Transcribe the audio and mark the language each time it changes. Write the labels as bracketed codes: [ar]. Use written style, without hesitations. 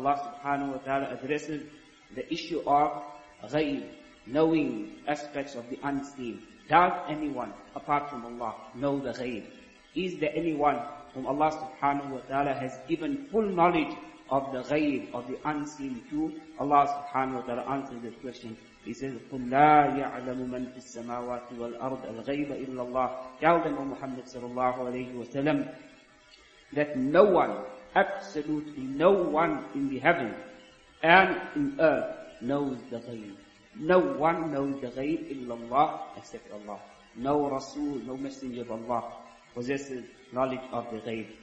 [en] Allah subhanahu wa ta'ala addresses the issue of غَيْب, knowing aspects of the unseen. Does anyone apart from Allah know the غَيْب? Is there anyone whom Allah subhanahu wa ta'ala has given full knowledge of the غَيْب, of the unseen to? Allah subhanahu wa ta'ala answers this question. He says, [ar] قُلْ لَا يَعْلَمُ مَنْ فِي السَّمَاوَاتِ وَالْأَرْضِ الْغَيْبَ إِلَّا اللَّهِ. [en] Tell them, O Muhammad sallallahu alayhi wa sallam, that no one, absolutely no one in the heaven and in earth knows the غَيْب. No one knows the غَيْب [ar] إِلَّا اللَّهِ [en] except Allah. No Rasul, no Messenger of Allah possesses knowledge of the غَيْب.